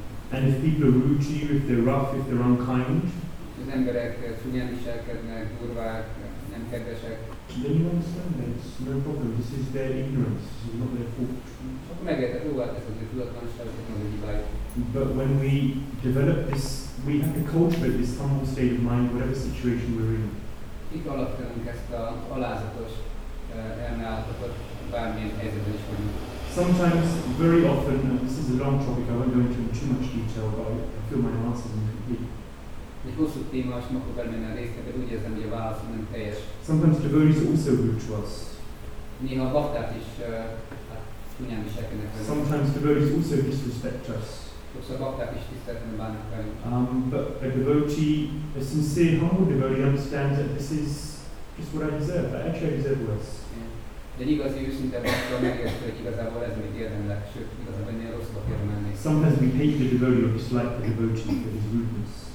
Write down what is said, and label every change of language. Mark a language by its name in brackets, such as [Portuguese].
[English] And if people are rude to you, if they're rough, if they're unkind, [Hungarian] az emberek csúnyán viselkednek, durvák, nem kedvesek. [English] Then you understand that it's no problem. This is their ignorance. This is not their fault. [Hungarian] Akkor megérted, jó, hát ez az ő tudatlanság, ez nem a hibájuk. [English] But when we develop this, we have to cultivate this humble state of mind, whatever situation we're in. [Hungarian] Itt alapítanunk ezt a alázatos elmeállapotot, bármilyen helyzetben is vagyunk. [English] Sometimes, very often, this is a long topic, I won't go into too much detail, but I feel my answer is incomplete. [Hungarian] Egy hosszú téma, és akkor belemenni a részt, de úgy érzem, hogy a válasz nem teljes. [English] Sometimes devotees are also rude to us. [Hungarian] Néha a bakták is csúnyán viselkednek velünk. [English] Sometimes devotees also disrespect us. [Hungarian] Sokszor a bakták is tiszteletlenül bánnak velünk. [English] But a devotee, a sincere, humble devotee understands that this is just what I deserve, but actually I deserve less. [Hungarian] De egy igazi őszinte bakta megérti, hogy igazából ez, amit érdemlek, sőt, igazából ennél rosszabb érdemelnék. [English] Sometimes we hate the devotee or dislike the devotee for his rudeness.